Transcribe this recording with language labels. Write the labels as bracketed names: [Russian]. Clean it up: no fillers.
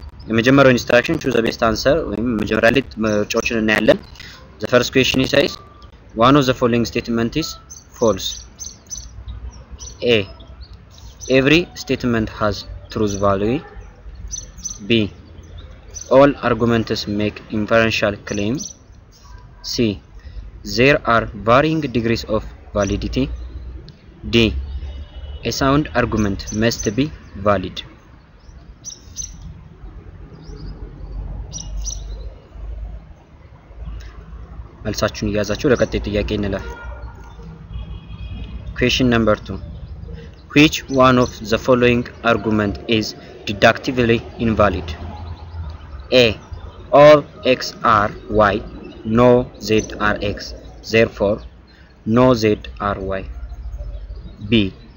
[Amharic] የመጀመሪያው [English] ኢንስትራክሽን ቹዝ ቤስት አንሰር [Amharic] ወይም መጀመሪያ ላይ ምርጫዎችን እናያለን። [English] ዘ ፈርስት ኩዌሽን ኢዝ ዋን ኦፍ ዘ ፎሎዊንግ ስቴትመንት ኢዝ ፎልስ። ኤ ኤቭሪ ስቴትመንት ሃዝ ትሩዝ ቫልዩ። ቢ ኦል አርጉመንትስ ሜክ ኢንፈረንሻል ክሌም። C. There are varying degrees of validity. D. A sound argument must be valid. [Amharic] መልሳችሁን ያዛችሁ ለቀጣይ ጥያቄ እንላለን። [English] Question number 2. Which one of the following argument is deductively invalid? A. All x are y. No z are x, therefore no z are y. B.